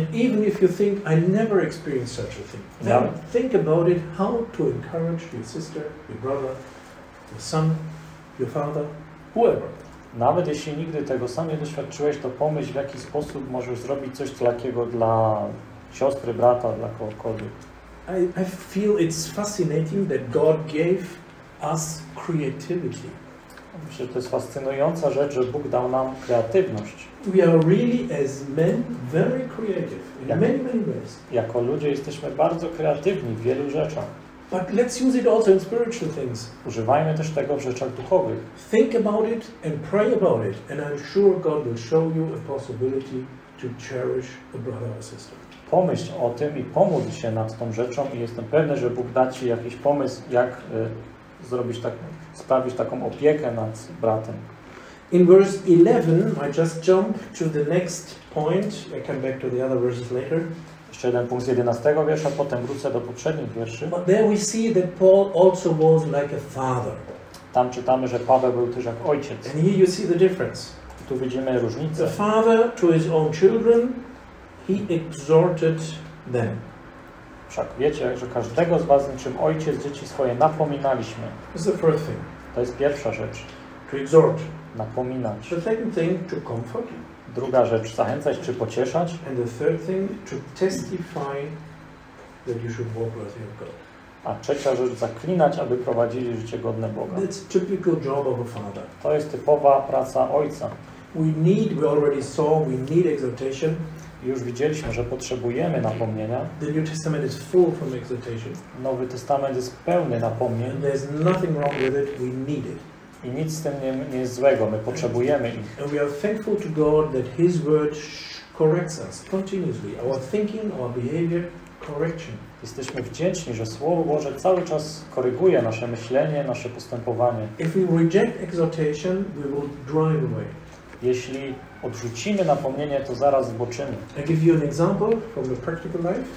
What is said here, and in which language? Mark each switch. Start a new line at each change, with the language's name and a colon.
English: And even if you think I never experienced such a thing, then think about it, how to encourage your sister, your brother, your son, your father, whoever.
Polish: Nawet jeśli nigdy tego sam nie doświadczyłeś, to pomyśl, w jaki sposób możesz zrobić coś takiego dla siostry, brata, dla kogokolwiek.
English: I feel it's fascinating that God gave us creativity.
Polish: Myślę, że to jest fascynująca rzecz, że Bóg dał nam kreatywność.
English: We are really as men very creative in many, many ways.
Polish: Jako ludzie jesteśmy bardzo kreatywni w wielu rzeczach.
English: But let's use it also in spiritual things.
Polish: Używajmy też tego w rzeczach duchowych.
English: Think about it and pray about it, and I'm sure God will show you a possibility to cherish a brother or sister.
Polish: Pomyśl o tym i pomódl się nad tą rzeczą i jestem pewny, że Bóg da ci jakiś pomysł, jak zrobić tak, sprawić taką opiekę nad bratem.
English: In verse 11, I just jump to the next point. I come back to the other verses later.
Polish: Jeszcze jeden punkt z 11 wiersza, potem wrócę do poprzednich wierszy.
English: But there we see that Paul also was like a father.
Polish: Tam czytamy, że Paweł był też jak ojciec.
English: And here you see the difference.
Polish: I tu widzimy różnicę.
English: The father to his own children, he exhorted them.
Polish: Wszak wiecie, że każdego z was, niczym ojciec, dzieci swoje napominaliśmy.
English: It's the first thing.
Polish: To jest pierwsza rzecz.
English: To exhort.
Polish: Napominać.
English: The second thing, to comfort.
Polish: Druga rzecz, zachęcać czy pocieszać.
English: And the third thing, to testify that you should walk worthy of God.
Polish: A trzecia rzecz, zaklinać, aby prowadzili życie godne Boga.
English: That's typical job of a father.
Polish: To jest typowa praca ojca.
English: We already saw, we need exhortation.
Polish: Już widzieliśmy, że potrzebujemy napomnienia.
English: The New Testament is full from exhortation.
Polish: Nowy Testament jest pełny napomnień.
English: There's nothing wrong with it. We need it.
Polish: I nic z tym nie jest złego. My potrzebujemy ich.
English: And we are thankful to God that His Word corrects us continuously. Our thinking, our behavior, correction.
Polish: Jesteśmy wdzięczni, że Słowo Boże cały czas koryguje nasze myślenie, nasze postępowanie.
English: If we reject exhortation, we will drive away.
Polish: Jeśli odrzucimy napomnienie, to zaraz zboczymy.
English: I give you an example from the practical life.